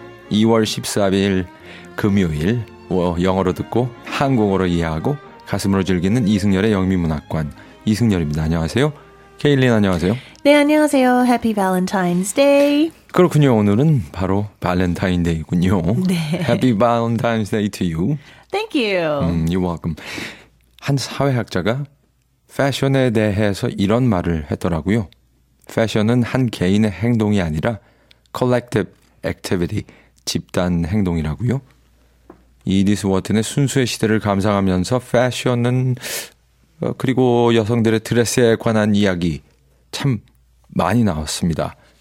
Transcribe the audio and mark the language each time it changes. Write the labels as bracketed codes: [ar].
[ko] 2월 14일 금요일 영어로 듣고 한국어로 이해하고 가슴으로 즐기는 이승열의 영미문학관 이승열입니다. 안녕하세요. 케일린 안녕하세요. 네, 안녕하세요. [en] Happy Valentine's Day. [ko] 그렇군요. 오늘은 바로 발렌타인데이군요. 네. [en] Happy Valentine's Day to you. Thank you. You're welcome. [ko] 한 사회학자가 패션에 대해서 이런 말을 했더라고요. 패션은 한 개인의 행동이 아니라 [en] collective activity, [ko] 집단 행동이라고요. 이디스 워튼의 순수의 시대를 감상하면서 패션은 그리고 여성들의 드레스에 관한 이야기 참 많이 나왔습니다.